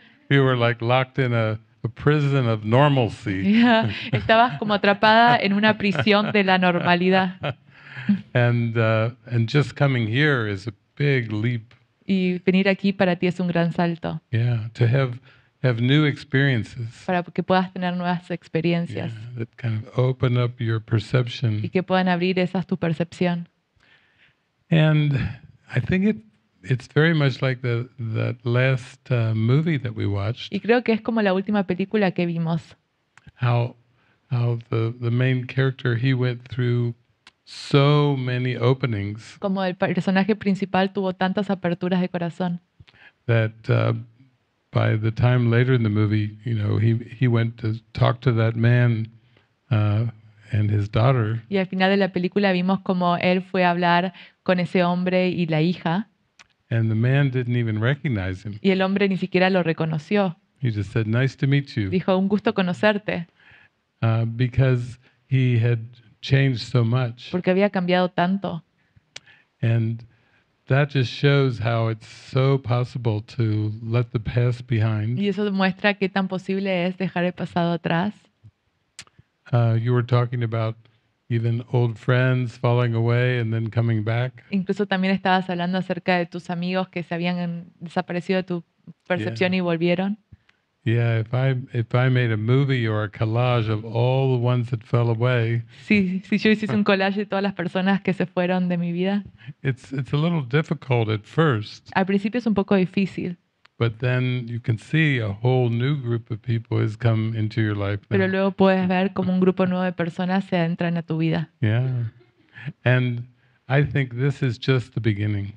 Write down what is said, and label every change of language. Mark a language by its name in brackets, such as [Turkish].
[English] You were like locked in a prison of normalcy. [Spanish] Yeah, estabas como atrapada en una prisión de la normalidad. [English] And just coming here is a big leap. [Spanish] Y venir aquí para ti es un gran salto. [English] Yeah, to have new experiences. [Spanish] Para que puedas tener nuevas experiencias. [English] Yeah, that kind of open up your perception. [Spanish] Y que puedan abrir esa tu percepción. [English] And I think it's very much like that last movie that we watched. [Spanish] Y creo que es como la última película que vimos. [English] How the main character, he went through so many openings. [Spanish] Como el personaje principal tuvo tantas aperturas de corazón. [English] That by the time later in the movie, you know, he went to talk to that man and his daughter. [Spanish] Y al final de la película vimos como él fue a hablar con ese hombre y la hija. [English] And the man didn't even recognize him. [Spanish] Y el hombre ni siquiera lo reconoció. [English] He just said, "Nice to meet you." [Spanish] Dijo, "Un gusto conocerte." [English] Because he had changed so much. [Spanish] Porque había cambiado tanto. [English] And that just shows how it's so possible to let the past behind. [Spanish] Y eso demuestra qué tan posible es dejar el pasado atrás. [English] You were talking about even old friends falling away and then coming back. [Spanish] Incluso también estabas hablando acerca de tus amigos que se habían desaparecido de tu percepción y volvieron. [English] Yeah, if I made a movie or a collage of all the ones that fell away. [Spanish] Sí, si yo hiciese un collage de todas las personas que se fueron de mi vida. [English] It's a little difficult at first. [Spanish] Al principio es un poco difícil. [English] But then you can see a whole new group of people has come into your life. [Spanish] Pero luego puedes ver como un grupo nuevo de personas se entran a tu vida. [English] Yeah, and I think this is just the beginning.